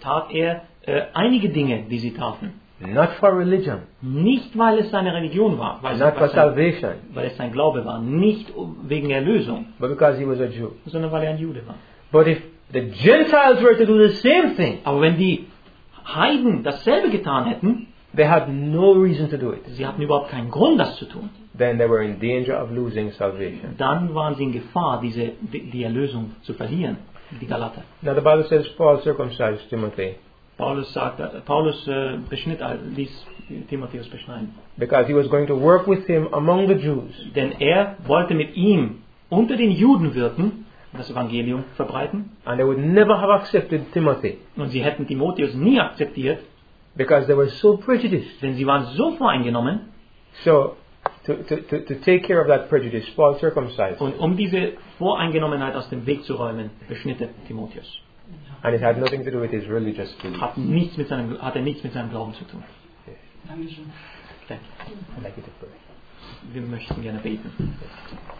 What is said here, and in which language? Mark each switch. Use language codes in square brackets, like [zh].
[de] Tat er einige Dinge, die sie taten. [en] Not for religion. [de] Nicht weil es seine Religion war. [en] Not for salvation. [de] Weil es sein Glaube war. Nicht wegen Erlösung. [en] But because he was a Jew. [de] Sondern weil er ein Jude war. [en] But if the Gentiles were to do the same thing, [de] aber wenn die Heiden dasselbe getan hätten, [en] they had no reason to do it. [de] Sie hatten überhaupt keinen Grund, das zu tun. [en] Then they were in danger of losing salvation. [de] Dann waren sie in Gefahr, die Erlösung zu verlieren. Die Galater. [en] Now the Bible says Paul circumcised Timothy. [de] Paulus ließ Timotheus beschneiden. [en] Because he was going to work with him among the Jews. [de] Denn er wollte mit ihm unter den Juden wirken, das Evangelium verbreiten. [en] And they would never have accepted Timothy. [de] Und sie hätten Timotheus nie akzeptiert. [en] Because they were so prejudiced. [de] Denn sie waren so voreingenommen. [en] So, to take care of that prejudice, Paul circumcised. [de] Und um diese Voreingenommenheit aus dem Weg zu räumen, beschnitt er Timotheus. [en] And it had nothing to do with his religious beliefs. [de] Hatte nichts mit seinem Glauben zu tun. Dankeschön. Danke. Wir möchten gerne beten. Yes.